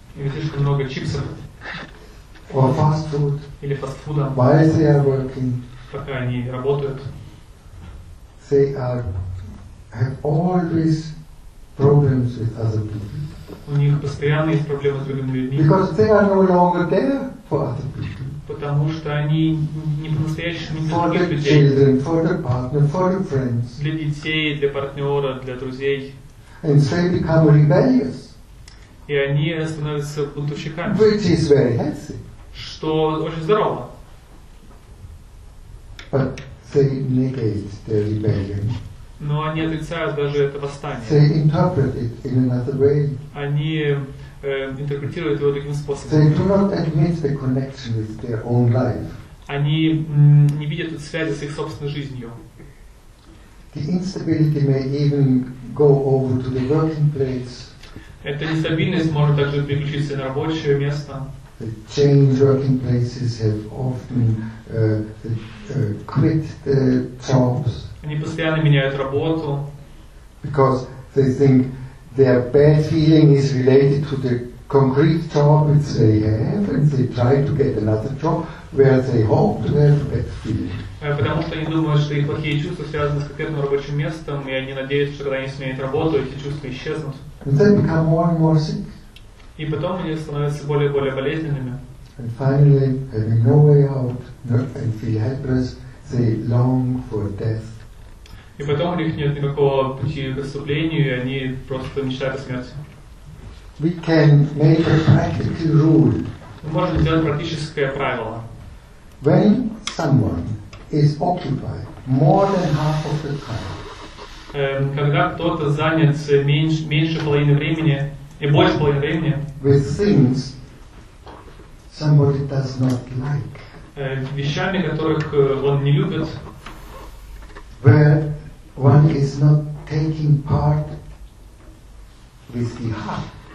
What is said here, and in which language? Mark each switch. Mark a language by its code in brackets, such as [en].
[ru] Или слишком много чипсов. [en] Or fast food. [ru] Или фастфуда. [en] While they are working. [ru] Пока они работают. [en] They have always problems with other people. [ru] У них постоянно есть проблемы с другими людьми. [en] Because they are no longer there for other people. [ru] Потому что они не по-настоящему не для других людей. [en] For the children, for the partner, for the friends. [ru] Для детей, для партнера, для друзей. [en] And they become rebellious. [ru] И они становятся бунтовщиками. [en] Which is very healthy. [ru] Что очень здорово. [en] But they negate their rebellion. [ru] Но они отрицают даже это восстание. [en] They interpret it in another way. [ru] Они интерпретируют его таким способом. [en] They do not admit the connection with their own life. [ru] Они не видят связи с их собственной жизнью. [en] The instability may even go over to the working place. [ru] Эта нестабильность может также переключиться на рабочее место. [en] The change working places have often quit the jobs. [ru] Они постоянно меняют работу. [en] Because they think their bad feeling is related to the concrete job which they have, and they try to get another job where they hope to have a bad feeling. [ru] Потому что они думают, что их плохие чувства связаны с конкретным рабочим местом, и они надеются, что когда они сменят работу, эти чувства исчезнут. [en] And they become more and more sick. [ru] И потом они становятся более и более болезненными. [en] And finally, having no way out, and feel helpless, they long for death. [ru] И потом у них нет никакого пути к исцеплению, и они просто мечтают о смерти. [en] We can make a practical rule. [ru] Мы можем сделать практическое правило. [en] When someone is occupied more than half of the time. [ru] Когда кто-то занят меньше половины времени и больше половины времени. [en] With things somebody does not like. [ru] Вещами, которых он не любит. [en] Where one is not taking part with the heart.